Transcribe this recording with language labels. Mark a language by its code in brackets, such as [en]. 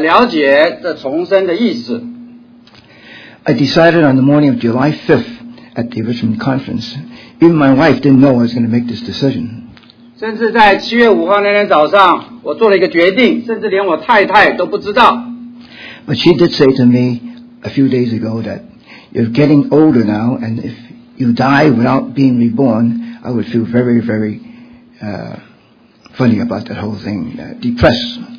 [zh] 那么我实在是经过了许久，我这样才了解这重生的意思。 [en] I decided on the morning of July 5th at the Richmond Conference. Even my wife didn't know I was going to make this decision. [zh] 甚至在7月5号那天早上，我做了一个决定，甚至连我太太都不知道。 [en] But she did say to me a few days ago that you're getting older now, and if you die without being reborn, I would feel very, very funny about that whole thing, depressed.